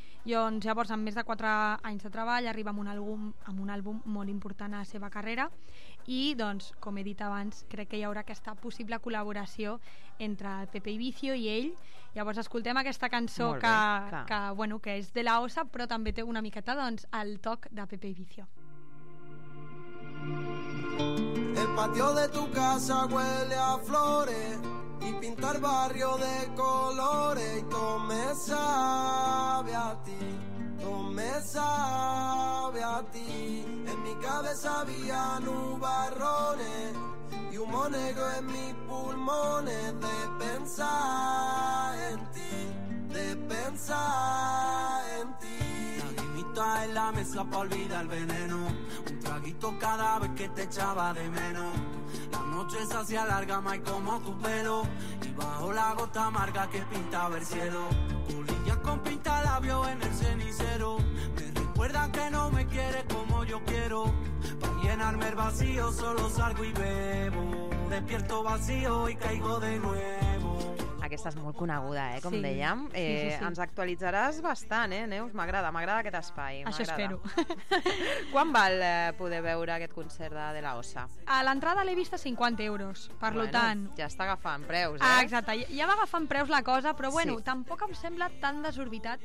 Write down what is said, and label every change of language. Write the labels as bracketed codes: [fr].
[ca] I doncs, llavors, amb més de 4 anys de treball, arriba amb un àlbum molt important a la seva carrera i, doncs, com he dit abans, crec que hi haurà aquesta possible col·laboració entre Pepe i Vicio i ell. Llavors, escoltem aquesta cançó bueno, que és De La Osa, però també té una miqueta, doncs, el toc de Pepe i Vicio. [es] El patio de tu casa huele a flores y pinta el barrio de colores y todo me sabe a ti, todo me sabe a ti. En mi cabeza había nubarrones y humo negro en mis pulmones de pensar en ti, de pensar en ti. La guimita en la mesa pa' olvidar el veneno, traguito cada vez que te echaba de menos. La noche se hacía larga, más como tu pelo, y bajo la gota amarga que pintaba el cielo. Colillas con pintalabios en el cenicero, me recuerda que no me quiere como yo quiero. Pa' llenarme el vacío solo salgo y bebo, despierto vacío y caigo de nuevo. [ca] aquesta és molt coneguda, com sí. dèiem. Sí. Ens actualitzaràs bastant, Neus? M'agrada aquest espai. Això espero. Quan val poder veure aquest concert de la Ossa? A l'entrada l'he vista 50 euros, per bueno, tant... Ja està agafant preus, Exacte, ja va agafant preus la cosa, però bueno, sí. tampoc em sembla tan desorbitat.